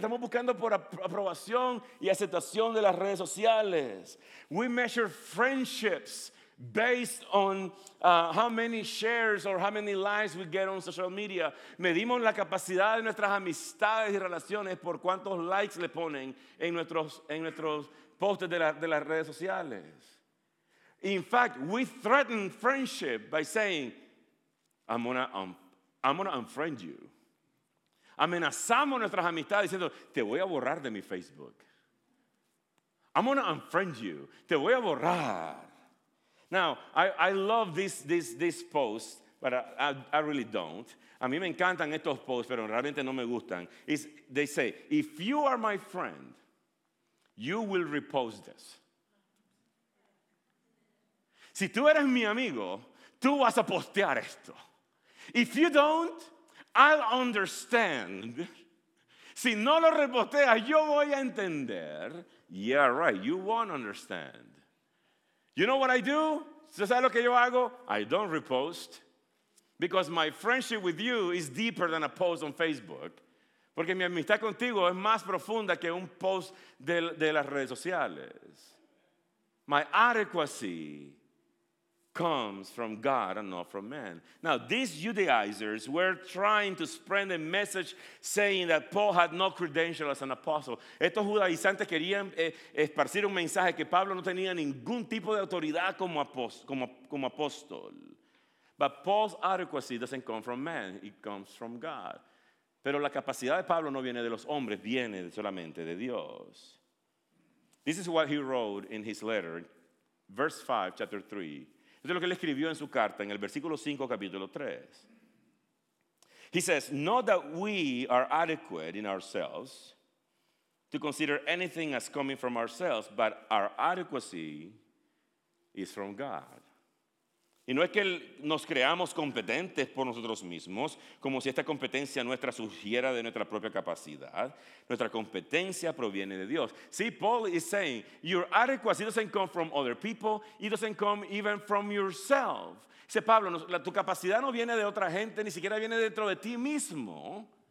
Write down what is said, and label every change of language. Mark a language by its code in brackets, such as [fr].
[es] Estamos buscando por aprobación y aceptación de las redes sociales. [en] We measure friendships based on how many shares or how many likes we get on social media. [es] Medimos la capacidad de nuestras amistades y relaciones por cuántos likes le ponen en nuestros posts de las redes sociales. [en] In fact, we threaten friendship by saying, I'm gonna unfriend you. [es] Amenazamos nuestras amistades diciendo, te voy a borrar de mi Facebook. [en] I'm gonna unfriend you. [es] Te voy a borrar. [en] Now, I love this post But I really don't. [es] A mí me encantan estos posts, pero realmente no me gustan. [en] It's, they say, if you are my friend, you will repost this. [es] Si tú eres mi amigo, tú vas a postear esto. [en] If you don't, I'll understand. [es] Si no lo reposteas, yo voy a entender. [en] Yeah, right, you won't understand. You know what I do? [es] ¿Sabes lo que yo hago? [en] I don't repost. Because my friendship with you is deeper than a post on Facebook. [es] Porque mi amistad contigo es más profunda que un post de las redes sociales. [en] My adequacy comes from God and not from man. Now, these Judaizers were trying to spread a message saying that Paul had no credentials as an apostle. [es] Estos judaizantes querían esparcir un mensaje que Pablo no tenía ningún tipo de autoridad como apóstol. [en] But Paul's adequacy doesn't come from man, it comes from God. [es] Pero la capacidad de Pablo no viene de los hombres, viene solamente de Dios. [en] This is what he wrote in his letter, verse 5, chapter 3. [es] Esto es lo que él escribió en su carta, en el versículo 5, capítulo 3. [en] He says, not that we are adequate in ourselves to consider anything as coming from ourselves, but our adequacy is from God. [es] Y no es que nos creamos competentes por nosotros mismos, como si esta competencia nuestra surgiera de nuestra propia capacidad. Nuestra competencia proviene de Dios. [en] See, Paul is saying, your adequacy doesn't come from other people, it doesn't come even from yourself. [es] Dice Pablo, tu capacidad no viene de otra gente, ni siquiera viene dentro de ti mismo.